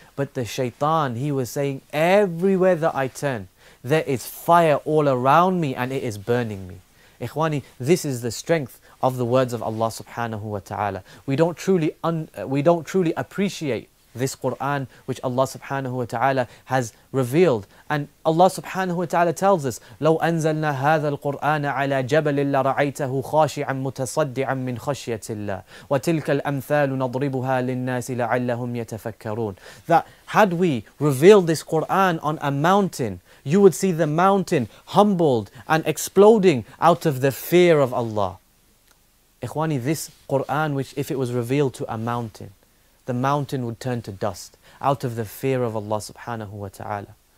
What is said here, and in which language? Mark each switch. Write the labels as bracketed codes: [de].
[en] But the shaitan, he was saying, "Everywhere that I turn, there is fire all around me and it is burning me." Ikhwani, this is the strength of the words of Allah subhanahu wa ta'ala. We don't truly appreciate this Quran which Allah subhanahu wa ta'ala has revealed. And Allah subhanahu wa ta'ala tells us, [ar] لَوْ أَنزَلْنَا هَذَا الْقُرْآنَ عَلَىٰ جَبَلٍ لَرَعَيْتَهُ خَاشِعًا مُتَصَدِّعًا مِّنْ خَشْيَةِ اللَّهِ وَتِلْكَ الْأَمْثَالُ نَضْرِبُهَا لِلنَّاسِ لَعَلَّهُمْ يَتَفَكَّرُونَ. [en] That had we revealed this Quran on a mountain, you would see the mountain humbled and exploding out of the fear of Allah. Ikhwani, this Quran, which if it was revealed to a mountain, the mountain would turn to dust out of the fear of Allah subhanahu wa ta'ala.